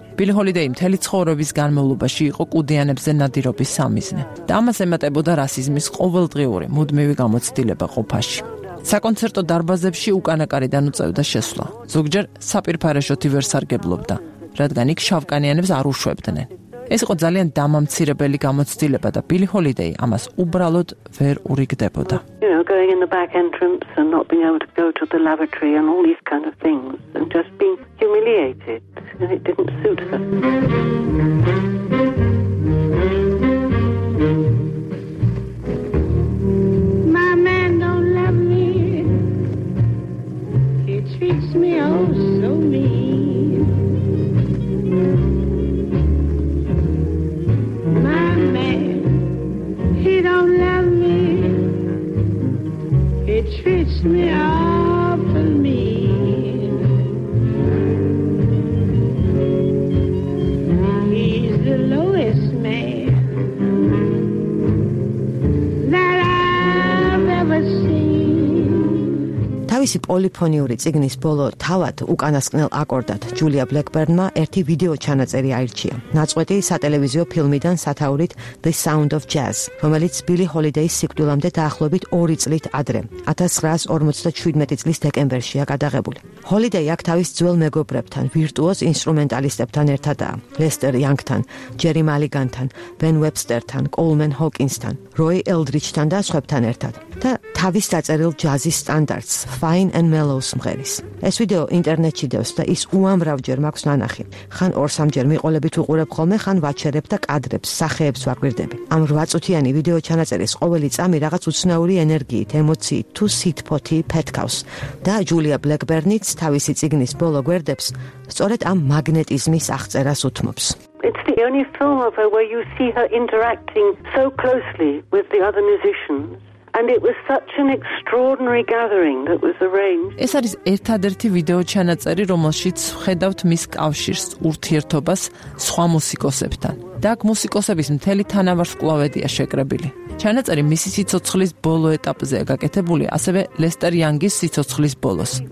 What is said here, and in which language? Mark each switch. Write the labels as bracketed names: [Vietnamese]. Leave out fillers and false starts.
[Georgian] ბილი ჰოლიდეი მთელი ცხოვრების განმავლობაში იყო კუდიანებზე ნადირობის სამიზნე და ამას ემატებოდა რასიზმის ყოველდღიური მუდმივი გამოცდილება ყოფაში. საკონცერტო დარბაზებში უკანაკარიდან უწევდა შესვლა. ზოგჯერ საპირფარეშოთი ვერ სარგებლობდა, რადგან იქ შავკანიანებს არ უშვებდნენ. ეს იყო ძალიან დამამცირებელი გამოცდილება და ბილი ჰოლიდეი ამას უბრალოდ ვერ ურიგდებოდა. [English] Going in the back entrance and not being able to go to the lavatory and all these kind of things and just being humiliated, and it didn't suit her. My man don't love me. He treats me oh so mean. My man, he don't love me. He treats me awful mean. He's the lowest man that I've ever seen. [Georgian] ისი პოლიფონიური ციგნის ბოლო თავად უკანასკნელ აკორდად ჯულია ბლეკბერნმა ერთი ვიდეო ჩანაწერი აირჩია. ნაწყვეტი სატელევიზიო ფილმიდან სათაურით The Sound of Jazz, რომელიც ბილი ჰოლიდეის სიკვდილამდე დაახლოებით 2 წლით ადრე, 1957 წლის დეკემბერშია გადაღებული. ჰოლიდეი აქ თავის ძველ მეგობრებთან, ვირტუოზ ინსტრუმენტალისტებთან ერთადაა, ლესტერ იანგთან, ჯერი მალიგანთან, ბენ ვებსტერთან, კოლმენ ჰოკინსთან, როი ელდრიჩთან და სხვებთან ერთად. და თავის დაწერილ ჯაზის სტანდარტს Fine and Mellow სიმღერის. ეს ვიდეო ინტერნეტში დევს და ის უამრავჯერ მაქვს ნანახი. ხან 2-3ჯერ მიყოლებით უყურებ ხოლმე, ხან ვაჩერებ და კადრებს, სახეებს ვაკვირდები. ამ 8 წუთიანი ვიდეო ჩანაწერის ყოველი წამი რაღაც უცნაური ენერგიით, ემოციით თუ სითფოთი ფეთქავს. და ჯულია ბლეკბერნიც თავისი წიგნის ბოლო გვერდებს სწორედ ამ მაგნეტიზმის აღწერას უთმობს. It's the only film of her where you see her interacting so closely with the other musicians. And it was such an extraordinary gathering that was arranged. ეს არის ერთადერთი ვიდეო ჩანაწერი, რომელშიც ხედავთ მის კავშირს, ურთიერთობას სხვა მუსიკოსებთან. და აქ მუსიკოსების მთელი თანავარსკვლავედია შეკრებილი. ჩანაწერი მისი სიცოცხლის ბოლო ეტაპზეა გაკეთებული, ასევე ლესტერ იანგის სიცოცხლის ბოლოს.